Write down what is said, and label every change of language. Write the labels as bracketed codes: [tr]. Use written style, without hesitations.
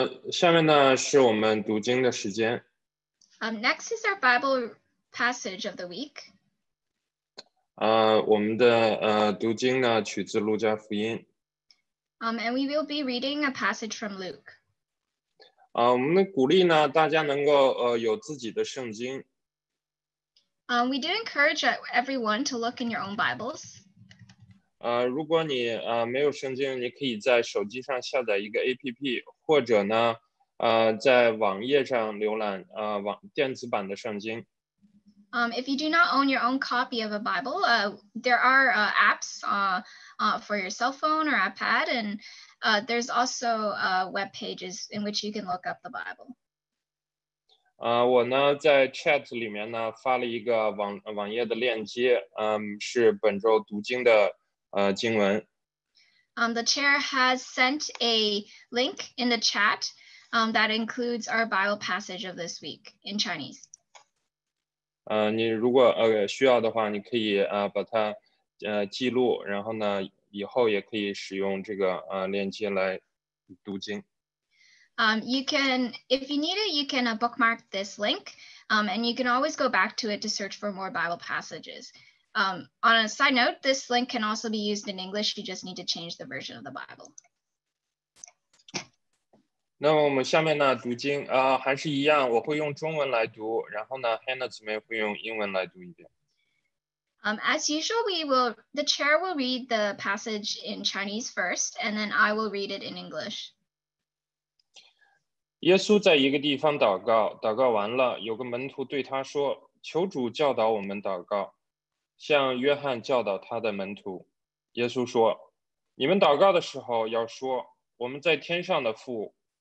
[zh] 下面呢是我们读经的时间。 [en] Next is our Bible passage of the week. [zh] 我们的读经呢取自路加福音。 [en] And we will be reading a passage from Luke. [zh] 我们鼓励呢大家能够有自己的圣经。 [en] We do encourage everyone to look in your own Bibles. [zh] 如果你没有圣经，你可以在手机上下载一个 APP， 或者呢，在网页上浏览电子版的圣经。 [en] If you do not own your own copy of a Bible, there are apps for your cell phone or iPad, and there's also web pages in which you can look up the Bible. [zh] 我呢在 chat 里面呢发了一个网页的链接，是本周读经的。经文。 [en] The chair has sent a link in the chat that includes our Bible passage of this week in Chinese. [zh] 你如果需要的话，你可以把它记录，然后呢，以后也可以使用这个链接来读经。 [en] You can, if you need it, you can bookmark this link, and you can always go back to it to search for more Bible passages. On a side note, this link can also be used in English. You just need to change the version of the Bible. [zh] 那我们下面呢读经啊，还是一样，我会用中文来读，然后呢 ，Hannah 姊妹会用英文来读一遍。 [en] As usual, the chair will read the passage in Chinese first, and then I will read it in English. [zh] 耶稣在一个地方祷告，祷告完了，有个门徒对他说：“求主教导我们祷告，像约翰教导他的门徒。” 耶稣说：“你们祷告的时候要说：我们在天上的父。”